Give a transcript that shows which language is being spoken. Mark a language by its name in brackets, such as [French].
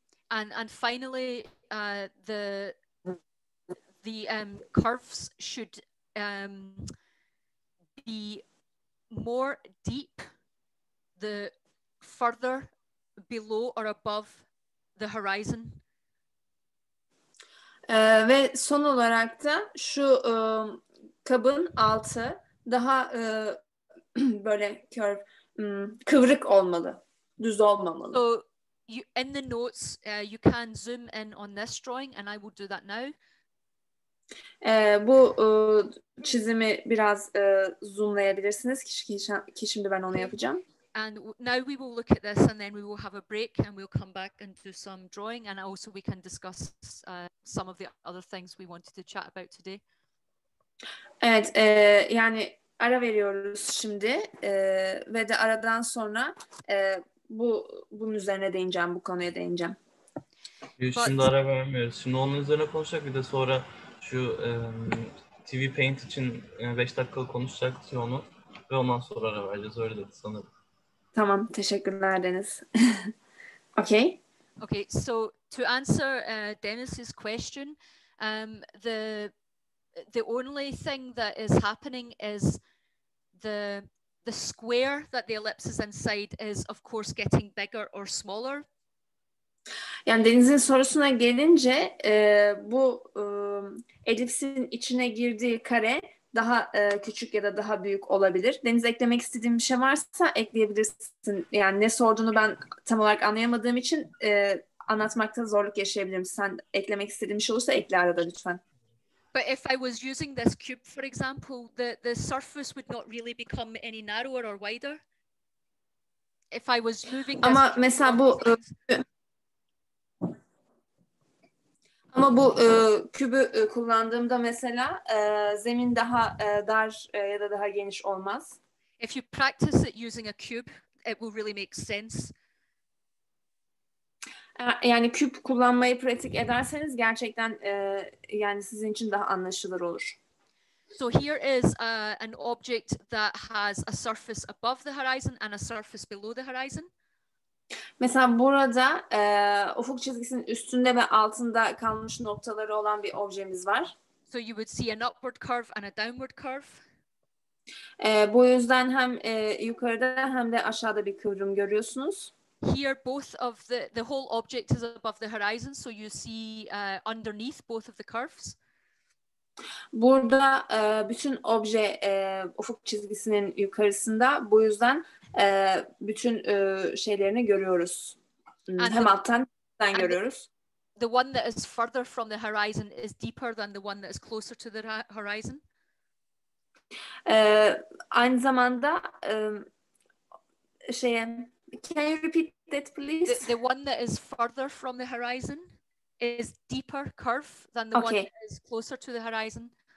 [English] And finally the curves should be more deep the further below or above the horizon. [Turkish] Ve son olarak da şu kabın altı daha böyle kıvrık olmalı, düz olmamalı. [English] So you, in the notes you can zoom in on this drawing and I will do that now. [Turkish] Bu çizimi biraz zoomlayabilirsiniz ki şimdi ben onu yapacağım. [English] And now we will look at this and then we will have a break and we'll come back and do some drawing and also we can discuss some of the other things we wanted to chat about today. [Turkish] Evet, yani ara veriyoruz şimdi ve de aradan sonra bunun üzerine değineceğim, bu konuya değineceğim. Şimdi ara vermiyoruz. Şimdi onun üzerine konuşacak, bir de sonra şu TV Paint için 5 dakikalık konuşacak onu ve ondan sonra ara vereceğiz, öyle dedi sanırım. Tamam, teşekkürler Deniz. Okay. [English] Okay, so to answer Deniz's question, the only thing that is happening is the square that the ellipse is inside is of course getting bigger or smaller. [Turkish] Yani Deniz'in sorusuna gelince bu elipsin içine girdiği kare daha küçük ya da daha büyük olabilir. Deniz, eklemek istediğim bir şey varsa ekleyebilirsin. Yani ne sorduğunu ben tam olarak anlayamadığım için anlatmakta zorluk yaşayabilirim. Sen eklemek istediğin bir şey olursa ekle arada lütfen. [English] But if I was using this cube for example, the surface would not really become any narrower or wider. If I was moving this [Turkish] Ama mesela bu Ama bu kübü kullandığımda mesela zemin daha dar ya da daha geniş olmaz. [English] If you practice it using a cube, it will really make sense. [Turkish] Yani küp kullanmayı pratik ederseniz gerçekten yani sizin için daha anlaşılır olur. [English] So here is an object that has a surface above the horizon and a surface below the horizon. [Turkish] Mesela burada ufuk çizgisinin üstünde ve altında kalmış noktaları olan bir objemiz var. [English] So you would see an upward curve and a downward curve. [Turkish] Bu yüzden hem yukarıda hem de aşağıda bir kıvrım görüyorsunuz. [English] Here both of the whole object is above the horizon, so you see underneath both of the curves. [Turkish] Burada bütün obje ufuk çizgisinin yukarısında, bu yüzden bütün şeylerini görüyoruz. And hem alttan görüyoruz. [English] The one that is further from the horizon is deeper than the one that is closer to the horizon. [Turkish] Aynı zamanda [English] can you repeat that please? The one that is further from the horizon is deeper curve than the one that is closer to the horizon.